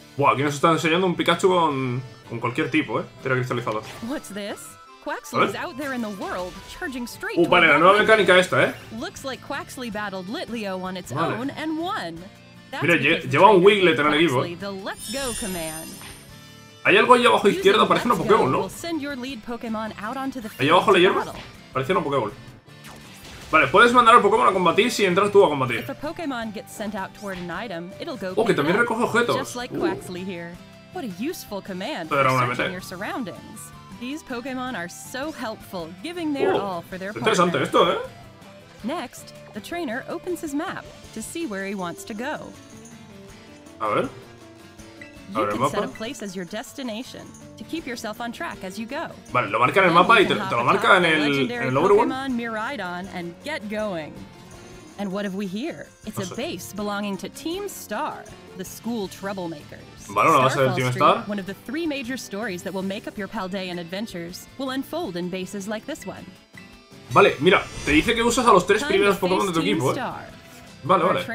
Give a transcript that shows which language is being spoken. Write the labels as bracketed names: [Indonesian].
[Spanish] Wow, aquí nos está enseñando un Pikachu con cualquier tipo, Terra cristalizado. [English] What's this? Quaxley's out there in the world, charging straight. [Spanish] Vale, la nueva mecánica esta, [English] Looks like Quaxley battled Litleo on its own and won. [Spanish] Mira, lleva un Wigglet en el equipo. [English] Let's go command. [Spanish] Hay algo ahí abajo izquierdo, parece una Pokéball, ¿no? [English] Send your lead Pokémon out onto the field. [Spanish] Ahí abajo la hierba. Parecía una Pokéball. Vale, puedes mandar al Pokémon a combatir si entras tú a combatir. Que también recoge objetos. Esto era una meta. [English] These Pokémon are so helpful, giving their all for their partner. [Spanish] Interesante esto, [English] Next, the trainer opens his map to see where he wants to go. [Spanish] A ver. [English] You can set a place as your destination to keep yourself on track as you go. [Spanish] Vale, lo marca en el mapa y te lo marca en el [English] Pokémon Miraidon and get going. And what have we here? It's a base belonging to Team Star, the school troublemakers. [Spanish] Vale, una base del Team Star. [English] One of the three major stories that will make up your Paldean adventures will unfold in bases like this one. [Spanish] Vale, mira, te dice que usas a los tres primeros Pokémon de tu equipo, Vale, vale.